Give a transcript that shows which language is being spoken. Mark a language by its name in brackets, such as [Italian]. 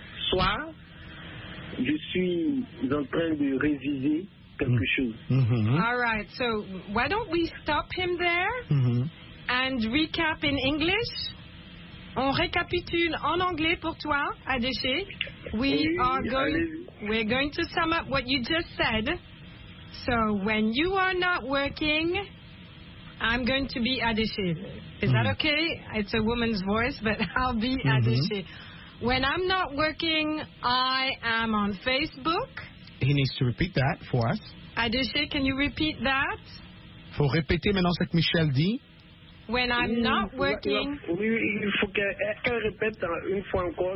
[French] Soit je suis en train de réviser quelque chose. [English] All right, so why don't we stop him there and recap in English? [French] On récapitule en anglais pour toi, Adéché. [English] We're going to sum up what you just said. So when you are not working, I'm going to be Adéché. Is that okay? It's a woman's voice, but I'll be Adéché. When I'm not working, I am on Facebook. He needs to repeat that for us. Adéché, can you repeat that? [French] Faut répéter maintenant ce que Michel dit. [English] When I'm not working. [French] Oui, il faut qu'elle répète une fois encore.